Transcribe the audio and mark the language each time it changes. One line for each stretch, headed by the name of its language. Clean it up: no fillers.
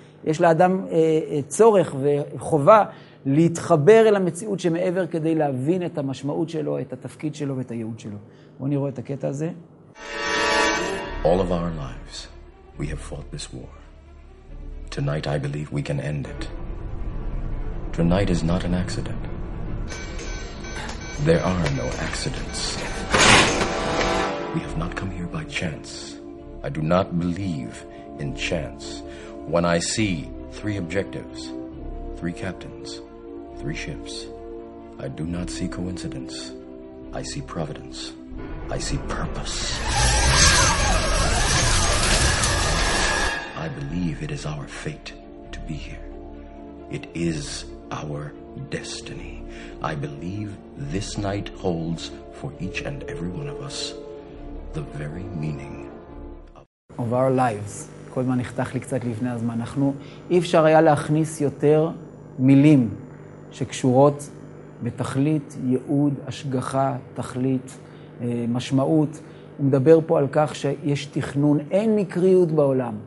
Hebrew: יש לאדם צורך וחובה להתחבר אל המציאות שמעבר כדי להבין את המשמעות שלו, את התפקיד שלו ואת הייעוד שלו. בוא נראה את הקטע הזה.
English: All of our lives we have fought this war. Tonight I believe we can end it. Tonight is not an accident. There are no accidents. We have not come here by chance. I do not believe in chance. When I see three objectives, three captains, three ships, I do not see coincidence. I see providence. I see purpose. I believe it is our fate to be here. It is our destiny. I believe this night holds for each and every one of us the very meaning of our lives.
Hebrew: כל מה נחתך לי קצת לפני הזמן. אנחנו, אי אפשר היה להכניס יותר מילים שקשורות בתכלית, ייעוד, השגחה, תכלית, משמעות, הוא מדבר פה על כך שיש תכנון, אין מקריות בעולם.